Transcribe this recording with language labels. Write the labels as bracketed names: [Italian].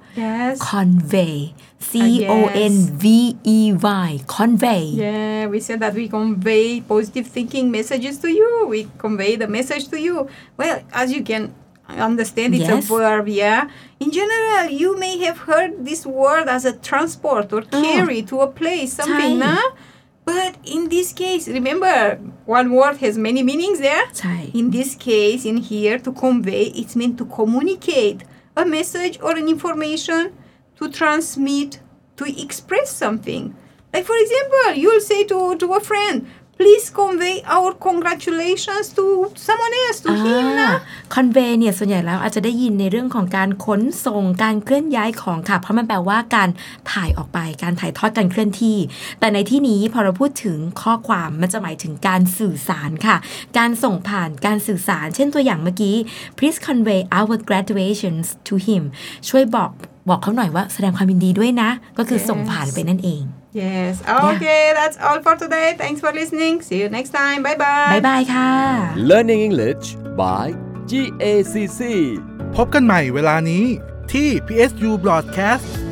[English] Yes. Convey C-O-N-V-E-Y Convey Yeah, we said that we convey positive thinking messages to you We convey the message to you Well, as you can understand, it's a verb, yeah? In general, you may have heard this word as a transport or carry to a place, something, no? But in this case, remember, one word has many meanings there. In this case, in here, to convey, it's meant to communicate a message or an information, to transmit, to express something. Like, for example, you'll say to a friend, please convey our congratulations to someone else, to him. [Thai] Convey, เนี่ยส่วนใหญ่แล้วอาจจะได้ยินในเรื่องของการขนส่งการเคลื่อนย้ายของค่ะเพราะมันแปลว่าการถ่ายออกไปการถ่ายทอดการเคลื่อนที่แต่ในที่นี้พอเราพูดถึงข้อความมันจะหมายถึงการสื่อสารค่ะการส่งผ่านการสื่อสารเช่นตัวอย่างเมื่อกี้ [English] please convey our graduations to him [Thai] ช่วยบอกเขาหน่อยว่าแสดงความยินดีด้วยนะก็คือส่งผ่านไปนั่นเอง [English] Yes. Okay, that's all for today. Thanks for listening. See you next time. Bye-bye. Bye-bye, ค่ะ Learning English by GACC. [Thai] พบกันใหม่เวลานี้ที่ PSU Broadcast.